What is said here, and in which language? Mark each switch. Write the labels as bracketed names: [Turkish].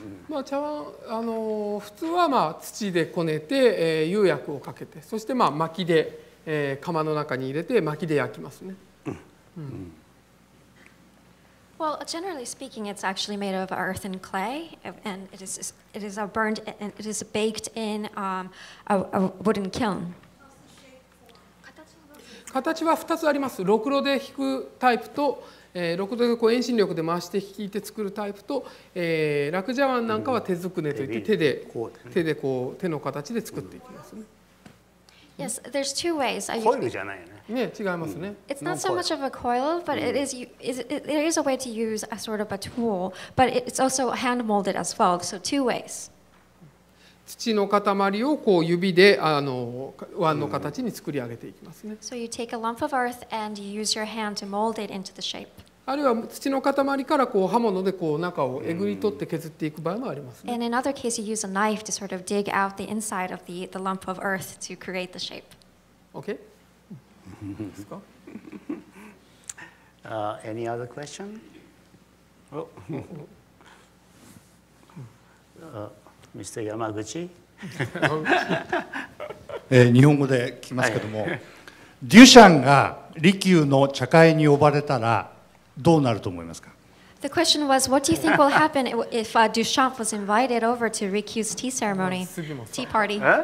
[Japanese] まあ茶碗普通はまあ土でこねて、釉薬をかけて、そしてまあ薪で。釜の中に入れて薪で焼きますね。 [English] Well, generally speaking, it's actually made of earth and clay, and it is a burned and it is baked in a wooden kiln. [Japanese] 形は2つあります。ろくろで引くタイプと、ろくろでこう遠心力で回して引いて作るタイプと、ラクジャワンなんかは手づくねといって手の形で作っていきますね。 [English] Yes, there's two ways. [Japanese] コイルじゃないよね。ね、違いますね。 [English] It's not so much of a coil, but there is a way to use a sort of a tool, but it's also hand molded as well. So two ways. [Japanese] 土の塊をこう指で碗の形に作り上げていきますね。 [English] So you take a lump of earth and you use your hand to mold it into the shape. [Japanese] あるいは土の塊からこう刃物でこう中をえぐり取って削っていく場合もありますね。 [English] And in other case, you use a knife to sort of dig out the inside of the lump of earth to create the shape. Okay. any other question? Mr. Yamaguchi. [Japanese] 日本語で聞きますけども、デュシャンが利休の茶会に呼ばれたらどうなると思いますか。 [English] The question was, what do you think will happen if Duchamp was invited over to Rikyu's tea ceremony, tea party?